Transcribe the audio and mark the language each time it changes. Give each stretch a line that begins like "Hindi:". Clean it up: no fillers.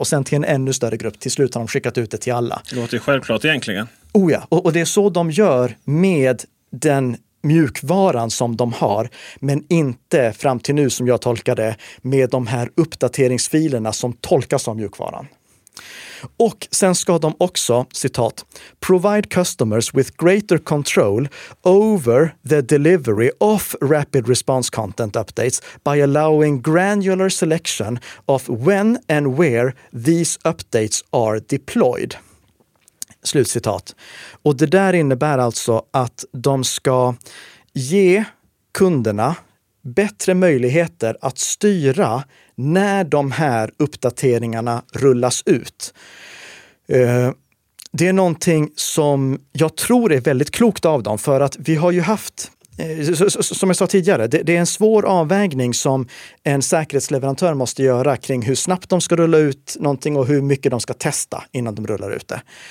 Swedish: Och sen till en ännu större grupp. Till slut har de skickat ut det till alla. Det låter ju självklart egentligen. Oh ja, och det är så de gör med den mjukvaran som de har, men inte fram till nu som jag tolkar det med de här uppdateringsfilerna som tolkas som mjukvaran. Och sen ska de också, citat,
English: provide customers with greater control over the delivery of rapid response content updates by allowing granular selection of when and where these updates are deployed.
Swedish: Slutcitat. Och det där innebär alltså att de ska ge kunderna bättre möjligheter att styra när de här uppdateringarna rullas ut. Det är någonting som jag tror är väldigt klokt av dem, för att vi har ju haft, som jag sa tidigare, det är en svår avvägning som en säkerhetsleverantör måste göra kring hur snabbt de ska rulla ut någonting och hur mycket de ska testa innan de rullar ut det.